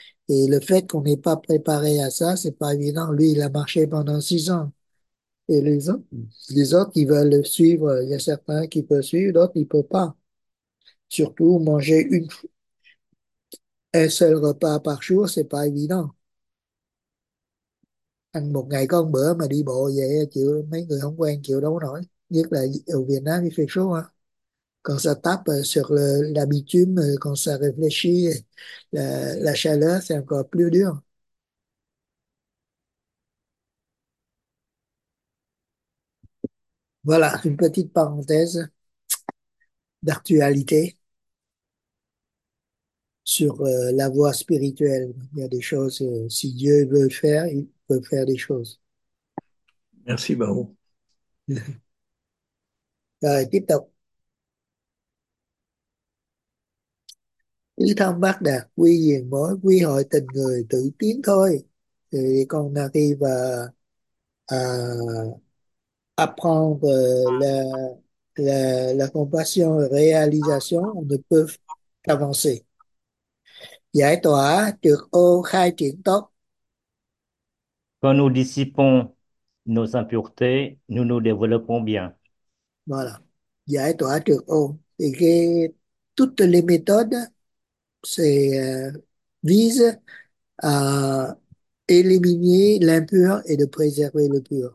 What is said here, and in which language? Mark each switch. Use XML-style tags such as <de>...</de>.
<fr>Et le fait qu'on n'ait pas préparé à ça, c'est pas évident. Lui, il a marché pendant 6 ans. Et les autres qui veulent le suivre, il y a certains qui peuvent suivre, d'autres, ils peuvent pas. Surtout, manger un seul repas par jour, c'est pas évident.</fr> <vi>Ăn một ngày có một bữa mà đi bộ vậy chịu, mấy người không quen chịu đâu nổi, nhất là ở Việt Nam thì phải số hả,</vi> <fr>quand ça tape sur l'habitude, quand ça réfléchit la chaleur, c'est encore plus dur. Voilà une petite parenthèse d'actualité sur la voie spirituelle. Il y a des choses, si Dieu veut faire, il peut faire des choses. Merci, Baron. Allez,</fr> <vi>tiếp tục. Tứ thông bát đạt, quy diền mối, quy hội tình người, tự tiến thôi. Thì con đã đi và</vi> <fr>apprendre la compassion, la réalisation, on ne peut qu'avancer.</fr> <vi>Giải tỏa trược ô khai triển tốt.</vi> <fr>Quand nous dissipons nos impuretés, nous nous développons bien. Voilà.</fr> <vi>Giải tỏa trược ô. Thì</vi> <fr>toutes les méthodes vise à éliminer l'impur et de préserver le pur.</fr>